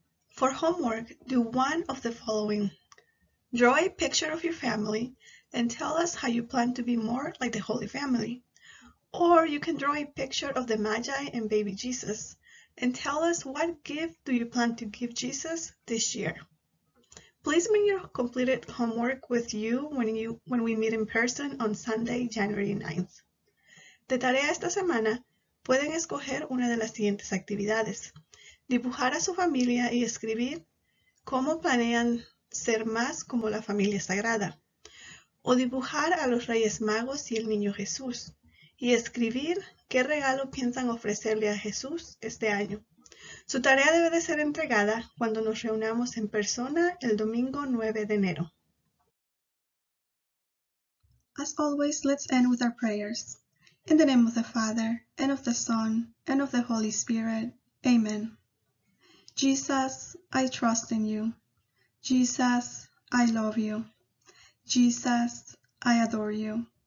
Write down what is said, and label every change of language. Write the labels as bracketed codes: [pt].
[en] For homework, do one of the following. Draw a picture of your family and tell us how you plan to be more like the Holy Family. Or you can draw a picture of the Magi and baby Jesus and tell us what gift do you plan to give Jesus this year. Please bring your completed homework with you when we meet in person on Sunday, January 9th. [es] De tarea esta semana, pueden escoger una de las siguientes actividades. Dibujar a su familia y escribir cómo planean ser más como la familia sagrada, o dibujar a los Reyes Magos y el Niño Jesús, y escribir qué regalo piensan ofrecerle a Jesús este año. Su tarea debe de ser entregada cuando nos reunamos en persona el domingo 9 de enero. [en] As always, let's end with our prayers. In the name of the Father, and of the Son, and of the Holy Spirit. Amen. Jesus, I trust in you. Jesus, I love you. Jesus, I adore you.